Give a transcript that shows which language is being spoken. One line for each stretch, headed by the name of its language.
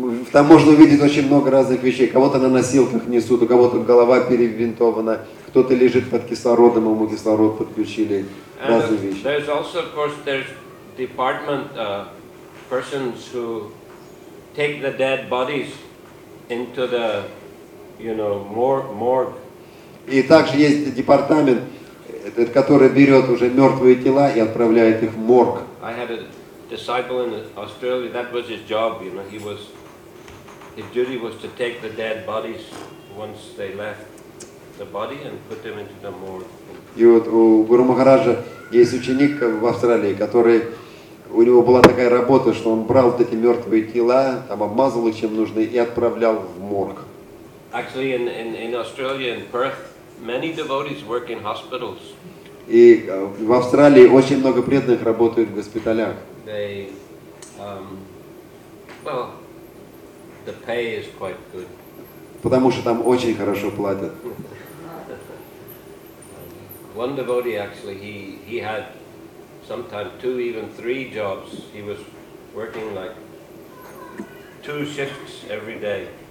Russian: Там можно увидеть очень много разных вещей. Кого-то на носилках несут, у кого-то голова перевинтована, кто-то лежит под кислородом, ему кислород подключили. Разные вещи.
English: There's also, of course, there's department persons who take the dead bodies into the, you know, morgue.
Russian: И также есть департамент, который берет уже мертвые тела и отправляет их в морг.
English: I had a disciple in Australia. That was his job. You know, his duty was to take the dead bodies once they left the body and put them into the morgue.
Russian: И вот у Гуру Махараджа есть ученик в Австралии, который у него была такая работа, что он брал вот эти мертвые тела, там обмазывал их чем нужно и отправлял в морг.
English: Actually, in Australia, in Perth, many devotees work in hospitals.
Russian: И в Австралии очень много преданных работают в госпиталях.
English: They, well, the pay is quite good.
Russian: Потому что там очень хорошо платят.
English: One devotee actually, he had sometimes two, even three jobs. He was working like two shifts every day.